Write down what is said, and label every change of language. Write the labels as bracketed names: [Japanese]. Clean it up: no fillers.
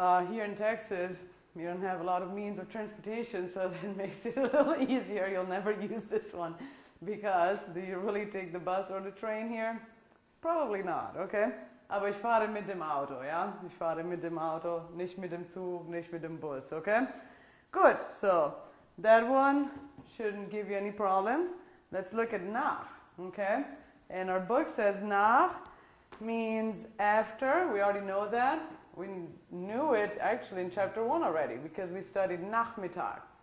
[English] Here in Texas, you don't have a lot of means of transportation, so that makes it a little easier. You'll never use this one. Because, do you really take the bus or the train here? Probably not, okay? [German] Aber ich fahre mit dem Auto, ja? Ich fahre mit dem Auto, nicht mit dem Zug, nicht mit dem Bus, okay? [English] Good, so that one shouldn't give you any problems. Let's look at nach, okay? And our book says nach means after. We already know that. We knew it actually in chapter 1 already because we studied Nachmittag.